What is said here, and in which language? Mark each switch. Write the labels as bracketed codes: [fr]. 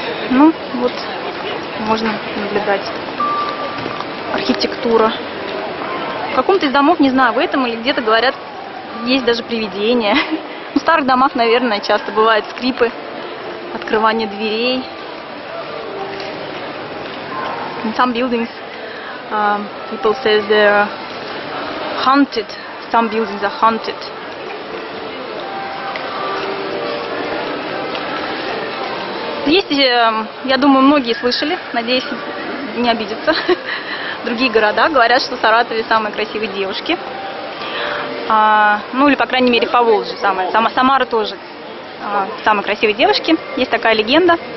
[ru] Ну, вот, можно наблюдать. Архитектура. В каком-то из домов, не знаю, в этом или где-то, говорят, есть даже привидения. В старых домах, наверное, часто бывают скрипы, открывание дверей. [en] In some buildings, people say they're haunted. Some buildings are haunted. [ru] Есть, я думаю, многие слышали, надеюсь, не обидятся, другие города. Говорят, что в Саратове самые красивые девушки. Ну, или, по крайней мере, Поволжье самое. Самара тоже самые красивые девушки. Есть такая легенда.